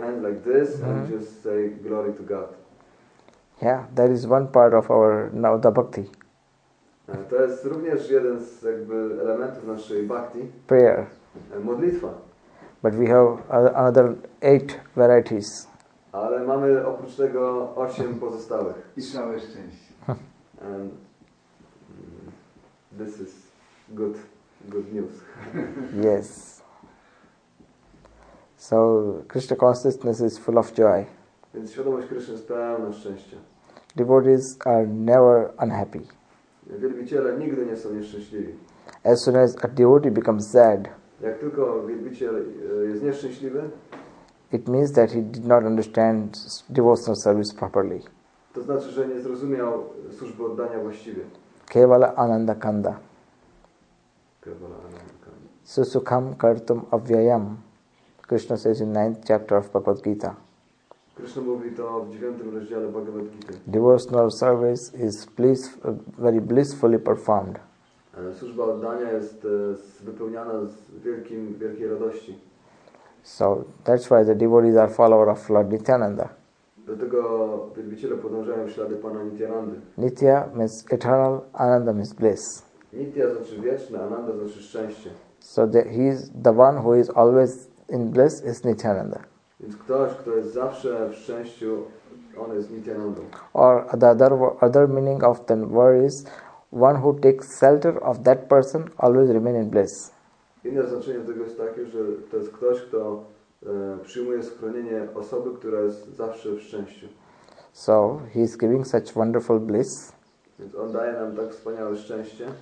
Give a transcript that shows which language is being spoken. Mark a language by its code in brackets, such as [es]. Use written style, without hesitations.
[en] hand like this and just say glory to God. Yeah, that is one part of our Navada Bhakti. [pl] To jest również jeden z jakby elementów naszej bhakti. [en] Prayer. [pl] Modlitwa. [en] But we have another 8 varieties. [pl] Ale mamy oprócz tego 8 pozostałych. I całe szczęście. [en] And this is good news. Yes. So Krishna consciousness is full of joy. [pl] Więc świadomość Krishna jest pełna szczęścia. [en] Devotees are never unhappy. [pl] Wielbiciele nigdy nie są nieszczęśliwi. [en] As soon as a devotee becomes sad, [pl] jak tylko wielbiciel jest nieszczęśliwy, [en] it means that he did not understand devotional service properly. [pl] To znaczy, że nie zrozumiał służby oddania właściwie. [sa] Kevala ananda kanda. Kevala ananda kanda. Susukham kartum avyayam. [en] Krishna says in 9th chapter of Bhagavad Gita. [pl] Krishna mówi to w 9 rozdziale Bhagavad Gita. [en] Devotional service is very blissfully performed. [pl] Służba oddania jest wypełniana z wielkiej radości. [en] So that's why the devotees are follower of Lord Nityananda. [pl] Dlatego wielbiciele podążają ślady Pana Nityanandy. [en] Nitya means eternal, Ananda means bliss. [pl] Nitya znaczy wieczne, Ananda znaczy szczęście. [en] So he is the one who is always in bliss is Nityananda. [pl] Więc ktoś, kto jest zawsze w szczęściu, on jest Nityananda. [en] Or the other meaning of the word is one who takes shelter of that person always remain in bliss. [pl] Inne znaczenie tego jest takie, że to jest ktoś, kto przyjmuje schronienie osoby, która jest zawsze w szczęściu. [en] So he is giving such wonderful bliss. [pl] Więc on daje nam tak wspaniałe szczęście.